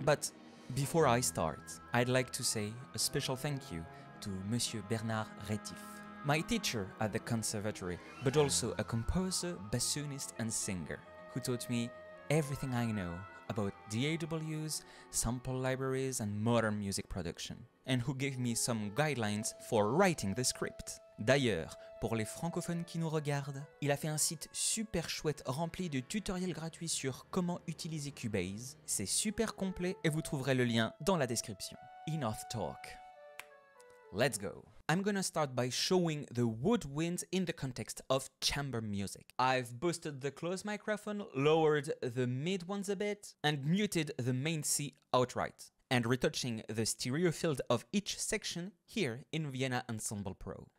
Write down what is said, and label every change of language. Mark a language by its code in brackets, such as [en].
[en] But before I start, I'd like to say a special thank you to Monsieur Bernard Rétif, my teacher at the conservatory, but also a composer, bassoonist and singer, who taught me everything I know about DAWs, sample libraries and modern music production, and who gave me some guidelines for writing the script. [fr] D'ailleurs, pour les francophones qui nous regardent, il a fait un site super chouette rempli de tutoriels gratuits sur comment utiliser Cubase. C'est super complet et vous trouverez le lien dans la description. [en] Enough talk. Let's go. I'm gonna start by showing the woodwinds in the context of chamber music. I've boosted the close microphone, lowered the mid ones a bit, and muted the main C outright, and retouching the stereo field of each section here in Vienna Ensemble Pro.